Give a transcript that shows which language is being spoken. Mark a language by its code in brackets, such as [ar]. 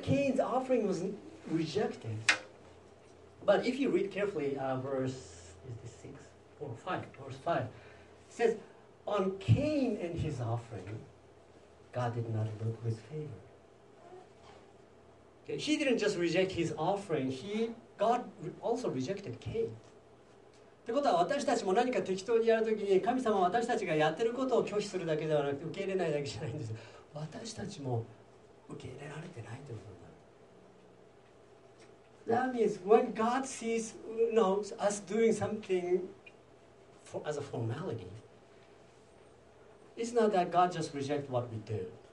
[en] You see, Cain's offering was rejected. But if you read carefully, verse 5, it says, on Cain and his offering, God did not look with favor. He didn't just reject his offering. God also rejected Cain. [ja] ってことは私たちも何か適当にやるときに神様は私たちがやってることを拒否するだけではなくて受け入れないだけじゃないんです。私たちも受け入れられてないということになる。 [en] That means when God sees us doing something as a formality, it's not that God just rejects what we do.